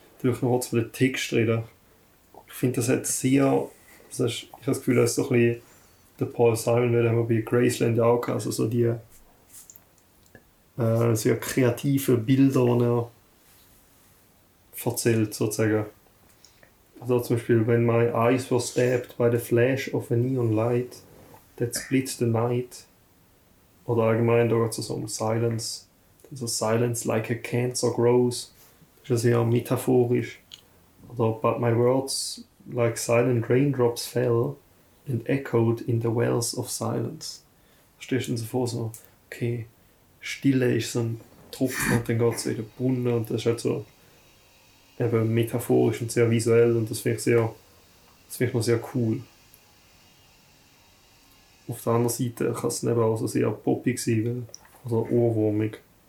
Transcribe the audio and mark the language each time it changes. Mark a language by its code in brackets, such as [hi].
[de] Vielleicht noch kurz über den Text reden. Ich finde das jetzt sehr... Das ist, ich habe das Gefühl, das ist so ein bisschen der Paul Simon, den wir bei Graceland auch hatten. Also so die sehr kreativen Bilder, die er erzählt, sozusagen. Also zum Beispiel, [en] when my eyes were stabbed by the flash of a neon light that split the night. [de] Oder allgemein, da geht es so um Silence. [en] Also Silence like a cancer grows. [de] Das ist ja sehr metaphorisch. [en] Oder, but my words like silent raindrops fell and echoed in the wells of silence. [de] Stehst du dir vor, so, okay, Stille ist so ein Tropfen und dann geht es in den Brunnen und das ist halt so eben metaphorisch und sehr visuell und das finde ich sehr, das finde ich noch sehr cool. Auf der anderen Seite kann es dann eben auch so sehr poppig sein, oder ohrwurmig.